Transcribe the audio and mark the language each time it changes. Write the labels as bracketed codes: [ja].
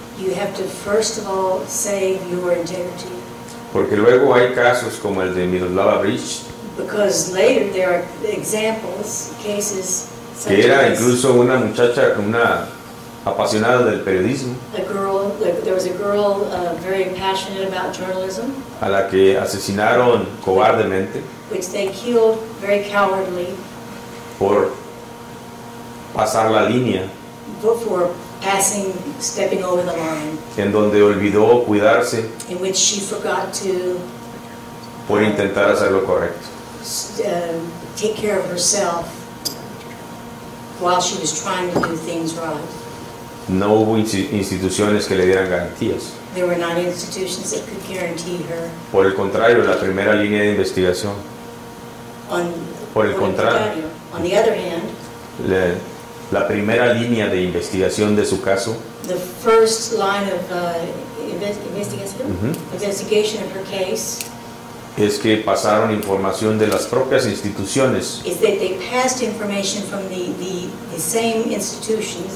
[en] You have to first of all save your integrity. [es] Porque luego hay casos como el de Miroslava Breach. [en] Because later there are examples, cases. [es] Que era incluso una muchacha, una apasionada del periodismo. [en] A girl, there was a girl very passionate about journalism. [es] A la que asesinaron cobardemente. [en] Which they killed very cowardly. [es] Por pasar la línea. [en] Before passing, stepping over the line. [es] En donde olvidó cuidarse. [en] In which she forgot to. [es] Por intentar hacer lo correcto. [en] Take care of herself while she was trying to do things right. [es] no hubo instituciones que le dieran garantías. [en] There were not institutions that could guarantee her. [es] Por el contrario, la primera línea de investigación. [en] On the other hand, [es] la primera línea de investigación de su caso. [en] The first line of investigation of her case. [es] Es que pasaron información de las propias instituciones. [en] Is that they passed information from the same institutions.